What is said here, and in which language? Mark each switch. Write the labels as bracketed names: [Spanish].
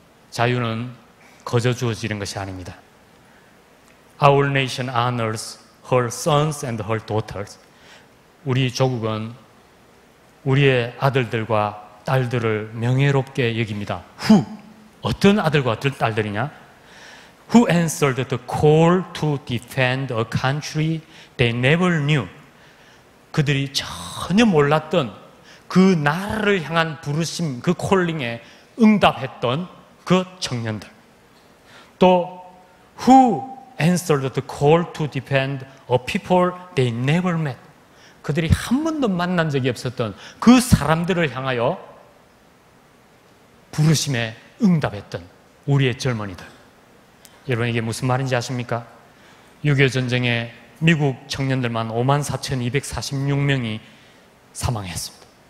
[Korean] 자유는 거저 주어지는 것이 아닙니다. [English] Our nation honors her sons and her daughters. [Korean] 우리 조국은 우리의 아들들과 딸들을 명예롭게 여깁니다. [English] Who? [Korean] 어떤 아들과 딸들이냐? [English] Who answered the call to defend a country they never knew? [Korean] 그들이 전혀 몰랐던 그 나라를 향한 부르심, 그 콜링에 응답했던 그 청년들. [English] 또 Who answered the call to defend a people they never met? [Korean] 그들이 한 번도 만난 적이 없었던 그 사람들을 향하여 부르심에 응답했던 우리의 젊은이들. 여러분, 이게 무슨 말인지 아십니까? 6.25 전쟁에 미국 청년들만 54,246명이 사망했습니다.